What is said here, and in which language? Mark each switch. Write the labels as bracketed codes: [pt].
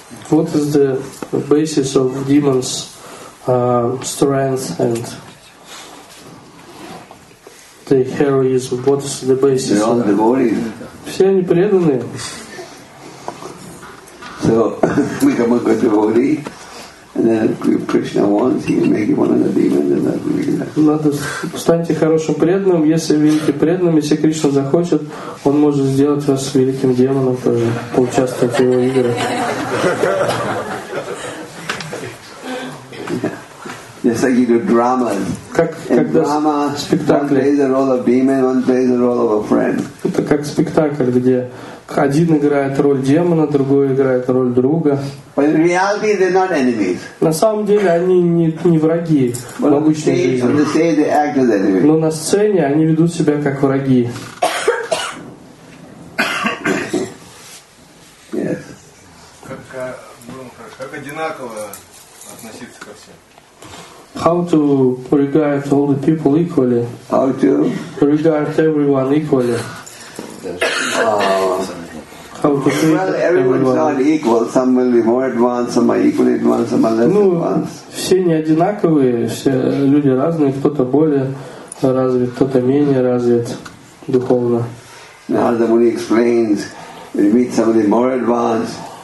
[en] What is the basis of demon's strength and the heroism? What is the basis? They're all devoted. [ru] Все они преданные. [en] So we come up with devotee. And then if Krishna wants, he can make you one of the demons, and that will be enough. [ru] Надо станьте хорошим преданным, если великим преданным, если Кришна захочет, он может сделать вас великим демоном тоже, поучаствовать в его играх. [en] Just like you do dramas. [ru] Как [en] drama, [ru] спектакль. [en] One plays the role of demon, one plays the role of a friend. [ru] Это как спектакль, где один играет роль демона, другой играет роль друга. But in reality, they're not enemies. На самом деле они не враги в обычной жизни. Но на сцене они ведут себя как враги. Как одинаково относиться ко всем? [en] How to regard all the people equally? How to regard everyone equally? How to treat everyone's not equal. Some will be more advanced, some are equally advanced, some are less advanced. [ru] Все не одинаковые, все люди разные. Кто-то более развит, кто-то менее развит духовно. [en] Now the Muni explains, when you meet somebody more advanced.